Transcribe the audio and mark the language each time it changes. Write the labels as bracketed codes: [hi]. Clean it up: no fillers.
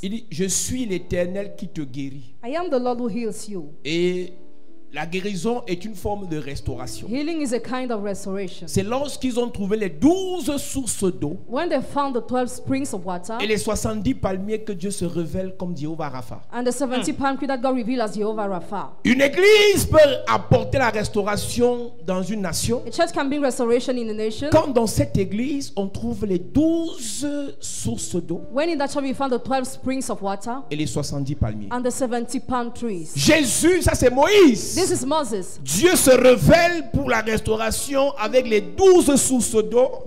[fr] Il dit, je suis l'Éternel qui te guérit. [en] I am the Lord who heals you. [fr] Et la guérison est une forme de restauration. [en] Healing is a kind of restoration. [fr] C'est lorsqu'ils ont trouvé les 12 sources d'eau. [en] When they found the 12 springs of water. [fr] Et les 70 palmiers que Dieu se révèle comme Jéhovah Rapha. [en] And the 70 palm trees that God revealed as Jehovah Rapha. [fr] Une église peut apporter la restauration dans une nation. [en] A church can bring restoration in a nation. [fr] Quand dans cette église on trouve les 12 sources d'eau. [en] When in that church we found the 12 springs of water. [fr] Et les 70 palmiers. [en] And the 70 palm trees. [fr] Jésus, ça c'est Moïse. [en] This is Moses. [fr] Dieu se révèle pour la restauration avec les 12 sources d'eau.